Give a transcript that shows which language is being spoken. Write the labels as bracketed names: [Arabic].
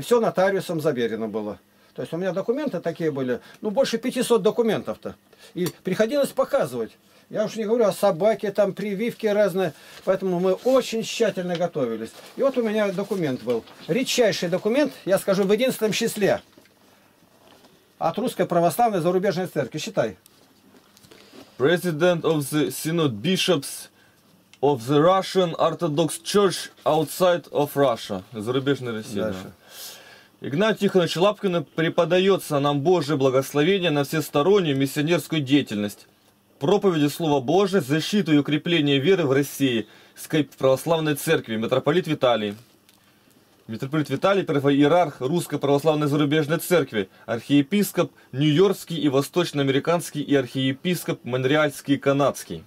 [Russian] Все нотариусом заверено было. То есть у меня документы такие были, больше 500 документов-то. И приходилось показывать. Я уж не говорю о собаке, там прививки разные. Поэтому мы очень тщательно готовились. И вот у меня документ был. Редчайший документ, я скажу, в 11 числе. От Русской Православной Зарубежной Церкви. Считай. [English] President of the Synod Bishops of the Russian Orthodox Church outside of Russia. [Russian] Зарубежная Россия. Дальше. Игнатий Тихонович Лапкин преподается нам Божие благословение на всестороннюю миссионерскую деятельность. Проповеди Слова Божие, защиту и укрепление веры в России, скайп Православной Церкви, митрополит Виталий. Митрополит Виталий, первоиерарх Русской Православной Зарубежной Церкви, архиепископ Нью-Йоркский и Восточно-Американский и архиепископ Монреальский и Канадский.